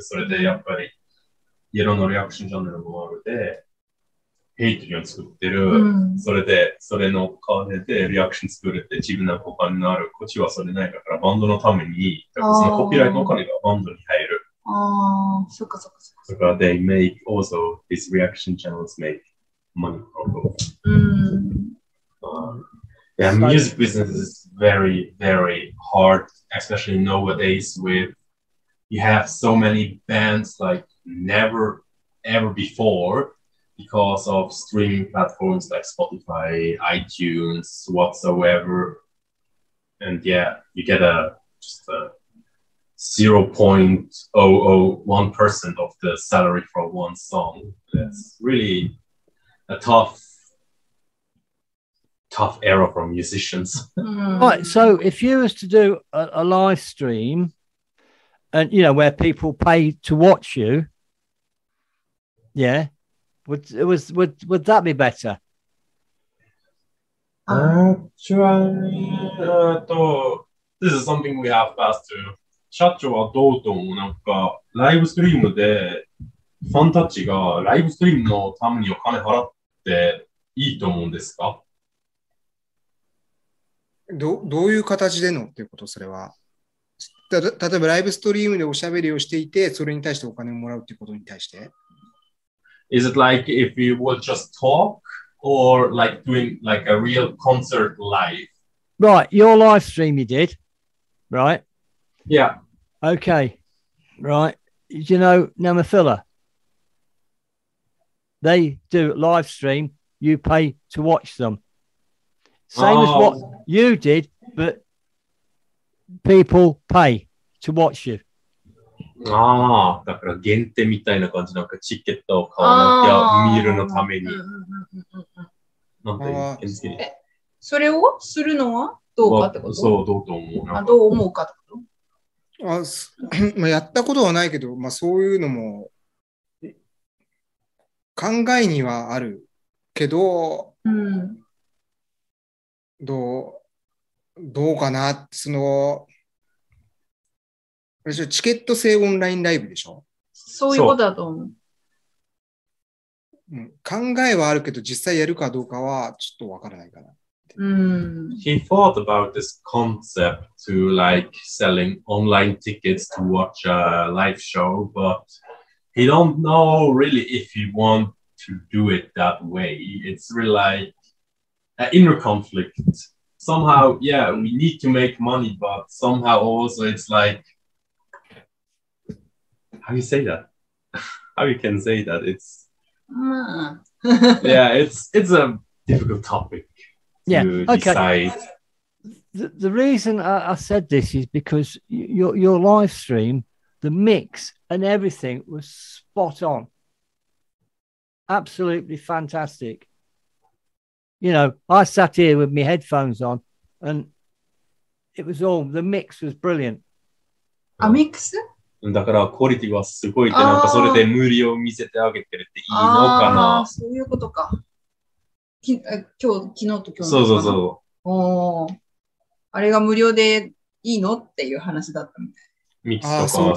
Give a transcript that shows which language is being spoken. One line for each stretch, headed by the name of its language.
Japanese: それでやっぱりイエローのリアクションチャンネルもあるで、ヘイトリオン作ってる。それで、それの金でリアクション作るって、自分のお金のある、こっちはそれないから、バンドのために、だからそのコピーライトのお金がバンドに入る。ああ、そっかそっかそっか。だから、
English: they make also, these reaction channels make money from them. Yeah, music business is very, very hard, especially nowadays with you have so many bands like never, ever before because of streaming platforms like Spotify, iTunes, whatsoever. And yeah, you get just a 0.001% of the salary for one song. That's really a tough era for musicians. Right, so if you was to do a live stream and, you know, where people pay to watch you, yeah, would that be better? Actually, this is something we have passed to.
Japanese: 社長はどうと思う？なんかライブストリームでファンたちがライブストリームのためにお金払っていいと思うんですか？どういう形でのっていうこと、それは。例えばライブストリームでおしゃべりをしていて、それに対してお金をもらうっていうことに対して。
English: Is it like if you would just talk or like doing like a real concert live? Right, your live stream you did, right? Yeah. Okay, right. Do you know Nemophila? They do live stream, you pay to watch them. Same as what you did, but people pay to watch you.
Japanese: だから限定みたいな感じなんかチケットを買わなきゃ見るのために。なんで、それをするのはどうかってこと？そう、どうと思う？どう思うかってこと？まあ、やったことはないけど、まあ、そういうのも考えにはあるけど、どうかな、その、チケット制オンラインライブでしょ？そういうことだと思う。考えはあるけど、実際やるかどうかはちょっとわからないかな。
English: He thought about this concept to like selling online tickets to watch a live show, but he don't know really if he want to do it that way. It's really like an inner conflict. Somehow, yeah, we need to make money, but somehow also it's like, how you say that? How you can say that? It's yeah, it's a difficult topic to decide. The reason I said this is because your live stream, the mix and everything was spot on. Absolutely fantastic. You know, I sat here with my headphones on and it was all, the mix was brilliant. A mix?
Japanese: だからクオリティはすごいって、なんかそれで無理を見せてあげてるっていいのかな。ああ、そういうことか。昨日と今日の。そうそうそう。おお。あれが無料でいいのっていう話だったみたい。ミックスとかは